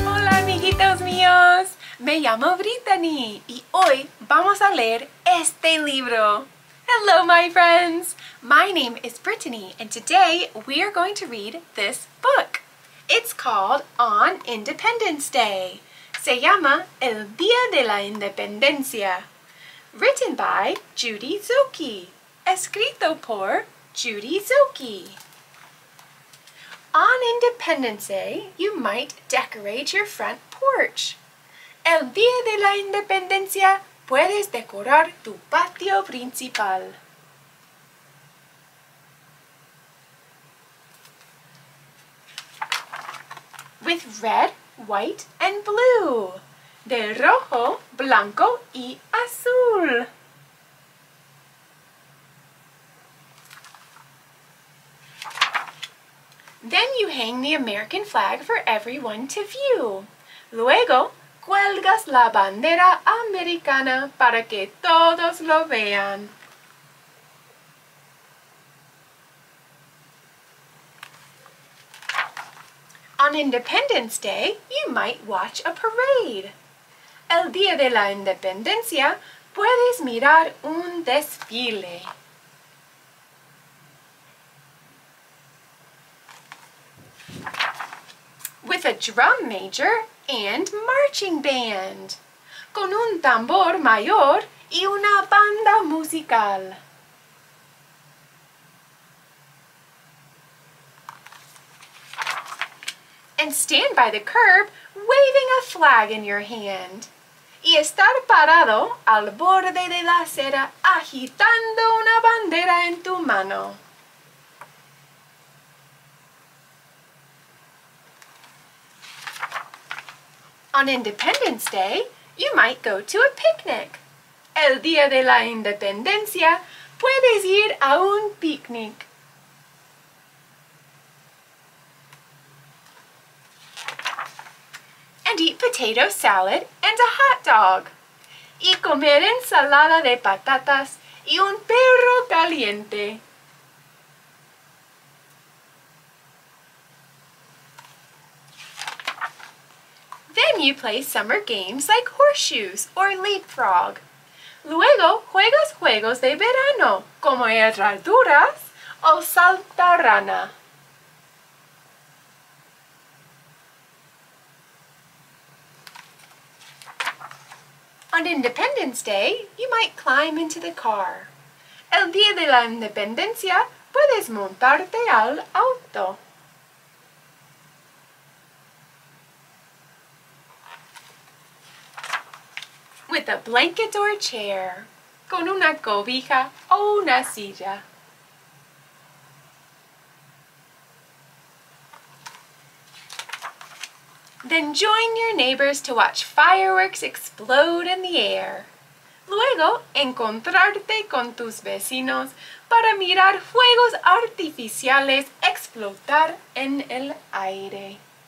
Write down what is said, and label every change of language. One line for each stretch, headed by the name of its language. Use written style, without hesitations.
Spanish: Amiguitos míos, me llamo Brittany y hoy vamos a leer este libro.
English: Hello, my friends. My name is Brittany and today we are going to read this book. It's called On Independence Day.
Spanish: Se llama El Día de la Independencia.
English: Written by Judy, Zocchi.
Spanish: Escrito por Judy, Zocchi.
English: On Independence Day, you might decorate your front porch.
Spanish: El Día de la Independencia, puedes decorar tu patio principal.
English: With red, white, and blue.
Spanish: De rojo, blanco, y azul.
English: Then you hang the American flag for everyone to view.
Spanish: Luego, cuelgas la bandera americana para que todos lo vean.
English: On Independence Day, you might watch a parade.
Spanish: El Día de la Independencia, puedes mirar un desfile.
English: With a drum major and marching band.
Spanish: Con un tambor mayor y una banda musical.
English: And stand by the curb waving a flag in your hand.
Spanish: Y estar parado al borde de la acera agitando una bandera en tu mano.
English: On Independence Day, you might go to a picnic.
Spanish: El Día de la Independencia, puedes ir a un picnic.
English: And eat potato salad and a hot dog.
Spanish: Y comer ensalada de patatas y un perro caliente.
English: You play summer games like horseshoes or leapfrog.
Spanish: Luego juegas juegos de verano como herraduras o saltarana.
English: On Independence Day, you might climb into the car.
Spanish: El Día de la Independencia, puedes montarte al auto.
English: With a blanket or a chair.
Spanish: Con una cobija o una silla.
English: Then join your neighbors to watch fireworks explode in the air.
Spanish: Luego, encontrarte con tus vecinos para mirar fuegos artificiales explotar en el aire.